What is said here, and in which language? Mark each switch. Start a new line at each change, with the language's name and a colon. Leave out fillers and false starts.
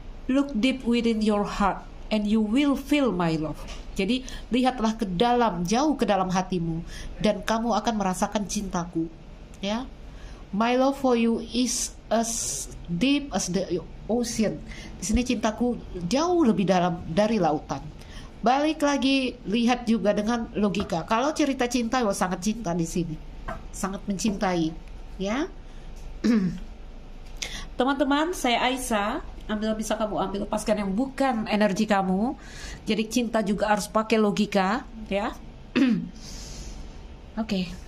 English: Look deep within your heart and you will feel my love.
Indonesian: Jadi lihatlah ke dalam, jauh ke dalam hatimu, dan kamu akan merasakan cintaku, ya.
English: My love for you is as deep as the ocean.
Indonesian: Di sini cintaku jauh lebih dalam dari lautan. Balik lagi lihat juga dengan logika. Kalau cerita cinta, wah sangat cinta di sini, sangat mencintai, ya. Teman-teman, saya Aisyah. Ambil bisa kamu ambil, lepaskan yang bukan energi kamu. Jadi cinta juga harus pakai logika, ya. Oke.